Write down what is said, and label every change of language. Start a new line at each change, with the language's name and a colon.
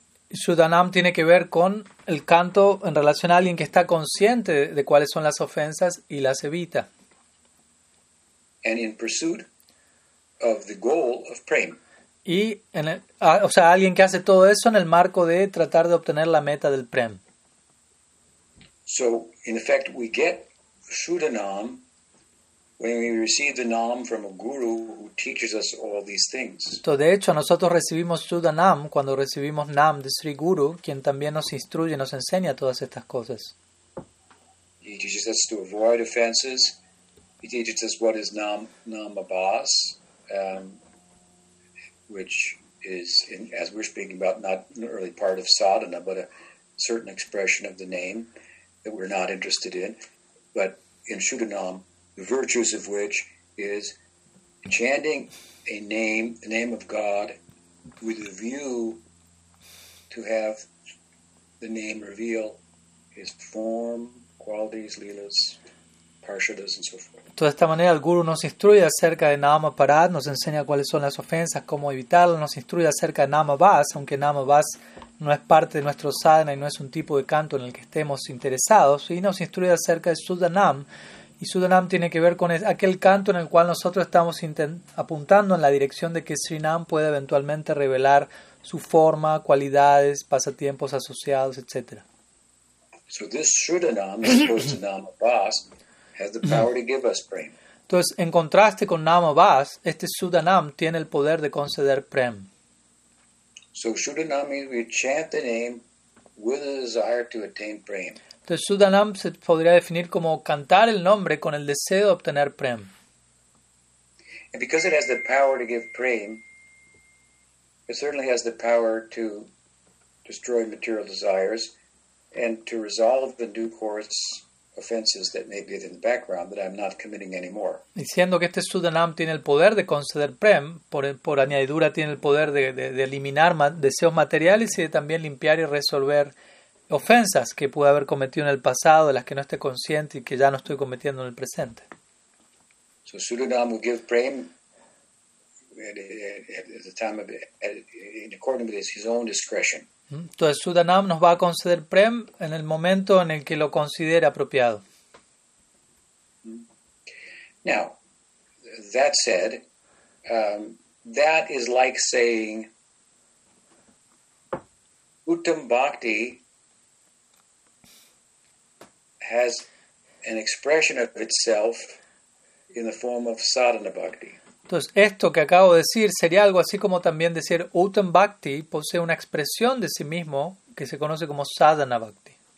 Spanish: Suddha-nama tiene que ver con el canto en relación a alguien que está consciente de cuáles son las ofensas y las evita.
English: And in pursuit of the goal of prem.
Spanish: Y en el, o sea, alguien que hace todo eso en el marco de tratar de obtener la meta del prem.
English: So, in effect, we get Suddha-nama when we receive the nam from a guru who teaches us all these things.
Spanish: Entonces, de hecho, nosotros recibimos Suddha-nama cuando recibimos nam de Sri Guru, quien también nos instruye, nos enseña todas estas cosas.
English: He teaches us to avoid offenses. He teaches us what is nam, Namabhasa, which is, in, as we're speaking about, not an early part of sadhana, but a certain expression of the name that we're not interested in. But in Suddha-nama, the virtues of which is chanting a name, the name of God, with a view to have the name reveal his form, qualities, lilas, parshadas, and so forth.
Spanish: Toda esta manera el guru nos instruye acerca de Namaparadha, nos enseña cuáles son las ofensas, cómo evitarlas, nos instruye acerca de Namabhasa, aunque Namabhasa no es parte de nuestro sadhana y no es un tipo de canto en el que estemos interesados, y nos instruye acerca de Suddha-nama, y Suddha-nama tiene que ver con aquel canto en el cual nosotros estamos apuntando en la dirección de que Srinam puede eventualmente revelar su forma, cualidades, pasatiempos asociados, etc.
English: So this Suddha-nama, as opposed to Namabhasa, has the power to give us prem.
Spanish: Entonces, en contraste con Namabhasa, este Suddha-nama tiene el poder de conceder prem.
English: So Suddha-nama means we chant the name with a desire to attain prem.
Spanish: Entonces, Suddha-nama se podría definir como cantar el nombre con el deseo de obtener prem.
English: And because it has the power to give prem, it certainly has the power to destroy material desires and to resolve in due course offenses that may be in the background that I'm not committing anymore.
Spanish: Diciendo que este Suddha-nama tiene el poder de conceder prem, por añadidura tiene el poder de eliminar deseos materiales y de también limpiar y resolver ofensas que pude haber cometido en el pasado, de las que no esté consciente y que ya no estoy cometiendo en el presente.
English: So Suddha-nama will give prem at the time of in accordance with his own discretion.
Spanish: Entonces, Suddha-nama nos va a conceder prem en el momento en el que lo considere apropiado.
English: Now, that said, that is like saying Uttam Bhakti has an expression of itself in the form of sadhana bhakti.
Spanish: Entonces, esto que acabo de decir sería algo así como también decir Uttam Bhakti posee una expresión de sí mismo que se conoce como Sadhana Bhakti.